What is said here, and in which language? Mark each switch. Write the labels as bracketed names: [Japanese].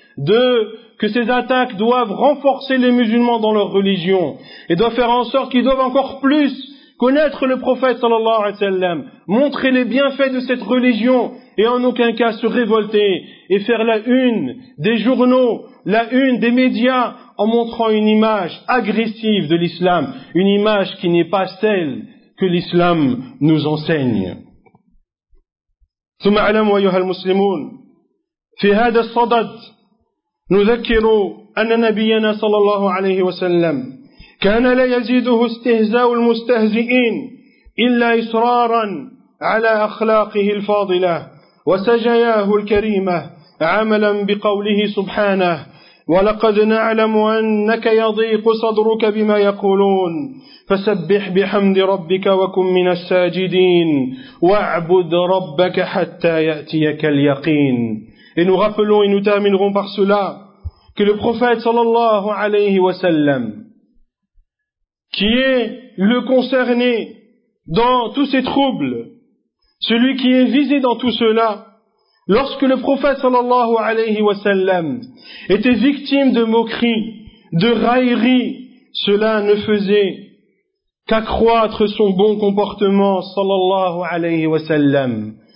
[French] Deux, que ces attaques doivent renforcer les musulmans dans leur religion, et doivent faire en sorte qu'ils doivent encore plus connaître le prophète sallallahu alayhi wa sallam, montrer les bienfaits de cette religion, et en aucun cas se révolter, et faire la une des journaux, la une des médias, en montrant une image agressive de l'islam, une image qui n'est pas celle que l'islam nous enseigne. [Arabic] ثم اعلموا ايها المسلمون في هذا الصدد نذكر ان نبينا صلى الله عليه وسلم كان لا يزيده استهزاء المستهزئين الا اصرارا على اخلاقه الفاضله وسجاياه الكريمه عملا بقوله سبحانه ولقد نعلم انك يضيق صدرك بما يقولون فسبح بحمد ربك وكن من الساجدين واعبد ربك حتى ياتيك اليقين. [French] Et nous rappelons et nous terminerons par cela que le prophète sallallahu alayhi wa sallam, qui est le concerné dans tous ces troubles, celui qui est visé dans tout cela, lorsque le prophète sallallahu alayhi wa sallam était victime de moqueries, de railleries, cela ne faisait qu'accroître son bon comportement sallallahu alayhi wa sallam.